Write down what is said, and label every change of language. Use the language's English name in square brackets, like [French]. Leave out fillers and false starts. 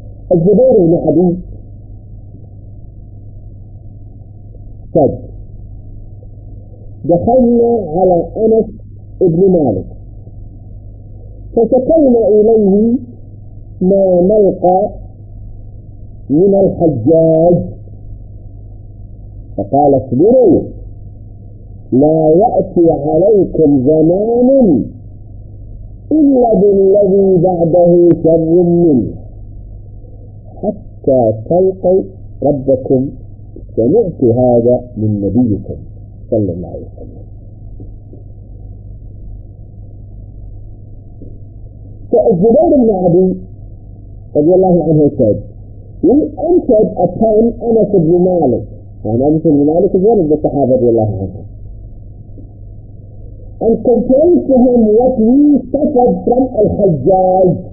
[Arabic] Al-Jubayr ibn Hadith said, Dakhalna ala Anas ibn Malik, fasakayna ilayhi ma nalqa من الحجاج فقال اصبروا لا يأتي عليكم زمان إلا بالذي بعده شر منه حتى تلقوا ربكم. سمعت هذا من نبيكم صلى الله عليه وسلم. فالزبير بن عدي رضي الله عنه [English] said, we entered upon Anas ibn Malik. And Anas ibn Malik is one of the Sahaba رضي الله عنه. And complained to him what we suffered from Al-Hajjaj.